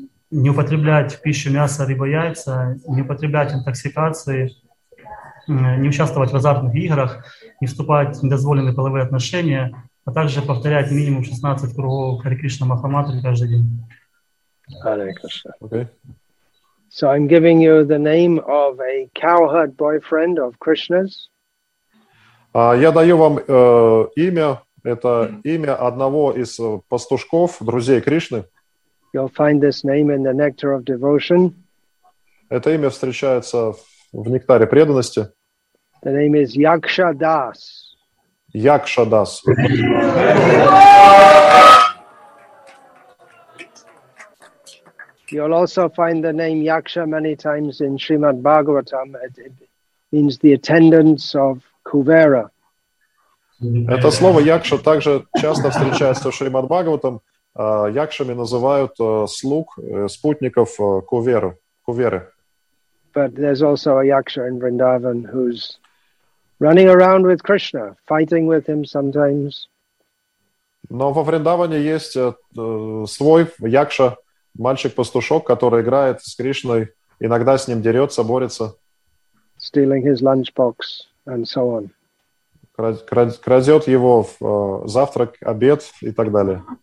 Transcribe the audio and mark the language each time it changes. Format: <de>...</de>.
<ru>Не употреблять в пищу мясо, рыбу, яйца, не употреблять интоксикации, не участвовать в азартных играх, не вступать в недозволенные половые отношения, а также повторять минимум 16 кругов Хари Кришна Махамантры каждый день.</ru> <en>Hare Krishna. Okay. So I'm giving you the name of a cowherd boyfriend of Krishna's.</en> <ru>Я даю вам имя, это имя одного из пастушков, друзей Кришны.</ru> <en>You'll find this name in the nectar of devotion.</en> <ru>Это имя встречается в нектаре преданности.</ru> <en>The name is Yaksha Das. Yaksha Das. You'll also find the name Yaksha many times in Srimad Bhagavatam. It means the attendants of Kuvera.</en> <ru>Это слово Yaksha также часто встречается в Шримад Бхагаватам. Якшами называют слуг, спутников Куверы. Куверы.</ru> <en>But there's also a Yaksha in Vrindavan who's running around with Krishna, fighting with him sometimes.</en> <ru>Но во Вриндаване есть свой Якша, мальчик-пастушок, который играет с Кришной, иногда с ним дерется, борется.</ru> <en>Stealing his lunchbox and so on.</en> <ru>Крадет его в завтрак, обед и так далее.</ru>